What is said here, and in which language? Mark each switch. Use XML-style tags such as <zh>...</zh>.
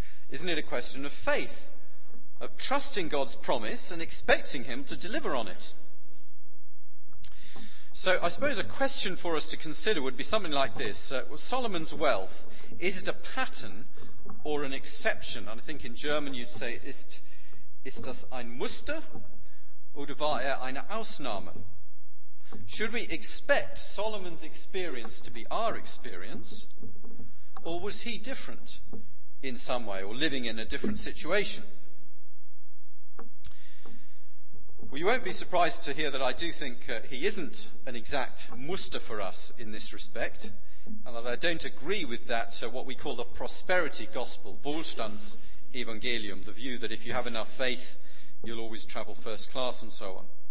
<en>Isn't it a question of faith, of trusting God's promise and expecting him to deliver on it? So I suppose a question for us to consider would be something like this. Solomon's wealth, is it a pattern or an exception? And I think in German you'd say,</en> <de>ist das ein Muster oder war er eine Ausnahme?</de> <en>Should we expect Solomon's experience to be our experience, or was he different in some way or living in a different situation? Well, you won't be surprised to hear that I do think he isn't an exact muster for us in this respect, and that I don't agree with that what we call the prosperity gospel, Wohlstandsevangelium, the view that if you have enough faith, you'll always travel first class and so on.</en>